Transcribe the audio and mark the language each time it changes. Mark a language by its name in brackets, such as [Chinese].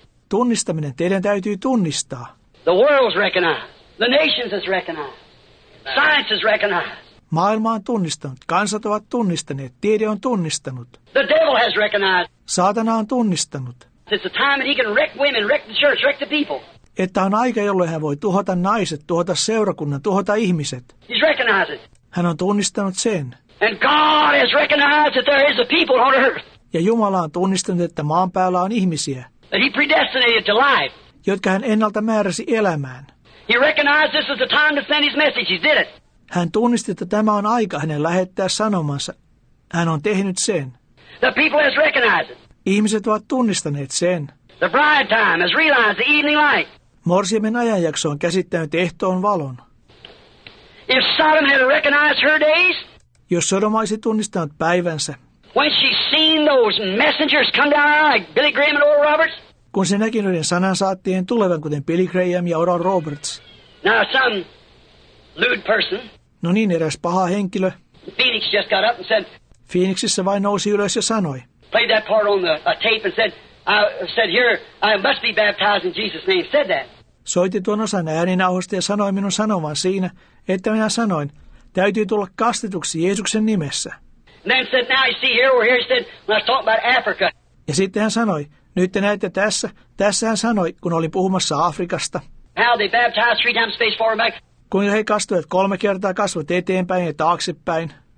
[Finnish] Tunnistaminen teidän täytyy tunnistaa. [English] The world's recognized. The nations is recognized. Science is recognized. [Finnish] Maailma on tunnistanut, kansat ovat tunnistaneet, tiede on tunnistanut. [English] The devil has recognized. [Finnish] Saatana on tunnistanut. [English] It's a time that he can wreck women, wreck the church, wreck the people. [Finnish] Että on aika, jolloin hän voi tuhota naiset, tuhota seurakunnan, tuhota ihmiset. [English] He's recognized it. [Finnish] Hän on tunnistanut sen. [English] And God has recognized that there is a people on earth. [Finnish] Ja Jumala on tunnistanut, että maan päällä on ihmisiä. [English] That he predestinated to life. [Finnish] Jotka hän ennalta määräsi elämään. [English] He recognized this is the time to send his message. He did it. [Finnish] Hän tunnisti, että tämä on aika hänen lähettää sanomansa. Hän on tehnyt sen. [English] The people has recognized it. [Finnish] Ihmiset ovat tunnistaneet sen. [English] The bride time has realized the evening light. [Finnish] Morsiamen ajanjakso on käsittänyt ehtoon valon. [English] If Sodom had recognized her days, [Finnish] jos Sodom olisi tunnistanut päivänsä, [English] when she seen those messengers come down like Billy Graham and Oral Roberts, [Finnish] kun se näki noiden sanansaattien tulevan, kuten Billy Graham ja Oral Roberts, [English] now some lewd person. [Finnish] No niin, eräs paha henkilö. [English] Phoenix just got up and said. [Finnish] Phoenixissä vain nousi ylös ja sanoi. [English] Played that part on the tape and said, I said here, I must be baptized in Jesus' name. Said that. [Finnish] Soitti tuon osan ääninauhasta ja sanoi minun sanovan siinä, että minä sanoin, täytyy tulla kastetuksi Jeesuksen nimessä. [English] And then said, now you see here, we're here. Said, when I was talking about Africa. [Finnish] Ja sitten hän sanoi, nyt te näette tässä. Tässä hän sanoi, kun oli puhumassa Afrikasta. [English] How they baptized three times space forward back. [Finnish] Kun he kastuivat kolme kertaa, kasvot eteenpäin ja taaksepäin.